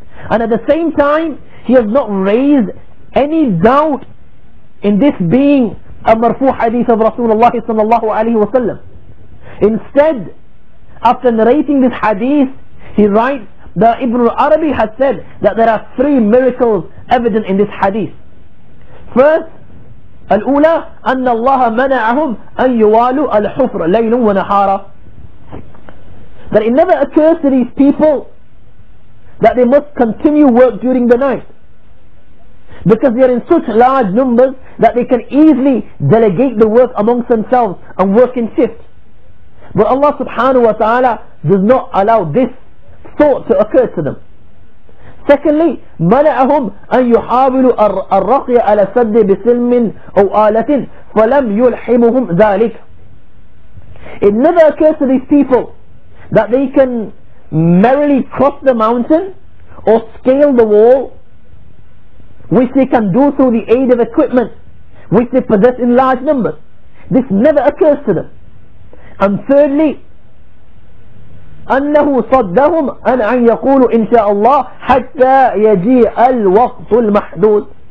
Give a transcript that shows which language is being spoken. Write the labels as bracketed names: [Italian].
[English] And at the same time, he has not raised any doubt in this being a marfu' hadith of Rasulullah sallallahu alayhi wa sallam. Instead, after narrating this hadith, he writes that Ibn al-Arabi has said that there are three miracles evident in this hadith. First, [Arabic] الأولى أن الله منعهم أن يوالوا الحفر ليلا ونهارا. [English] That it never occurs to these people that they must continue work during the night, because they are in such large numbers that they can easily delegate the work amongst themselves and work in shift. But Allah subhanahu wa ta'ala does not allow this thought to occur to them. Secondly, [Arabic] منعهم أن يحاولوا الرقي على سد بسلم أو آلة فلم يلحمهم ذلك. [English] It never occurs to these people that they can merrily cross the mountain or scale the wall which they can do through the aid of equipment which they possess in large numbers. This never occurs to them. And thirdly, [Arabic] أنه صدهم أن يقولوا إن شاء الله حتى يجيء الوقت المحدود.